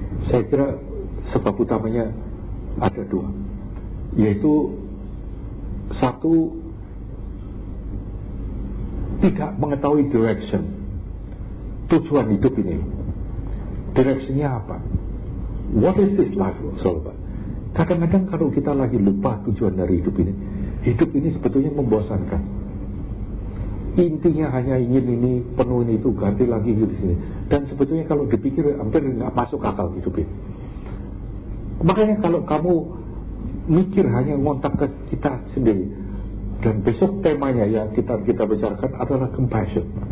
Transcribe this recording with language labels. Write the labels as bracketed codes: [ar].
[id] Saya kira sebab utamanya ada dua, yaitu satu, tidak mengetahui direction, tujuan hidup ini. Direction-nya apa? [en] What is this life all about? [id] Kadang-kadang kalau kita lagi lupa tujuan dari hidup ini sebetulnya membosankan. Intinya hanya ingin ini, penuhin itu, ganti lagi di sini. Dan sebetulnya kalau dipikir hampir enggak masuk akal hidup ini. Makanya kalau kamu mikir hanya ngontak ke kita sendiri, dan besok temanya yang kita bicarakan adalah compassion.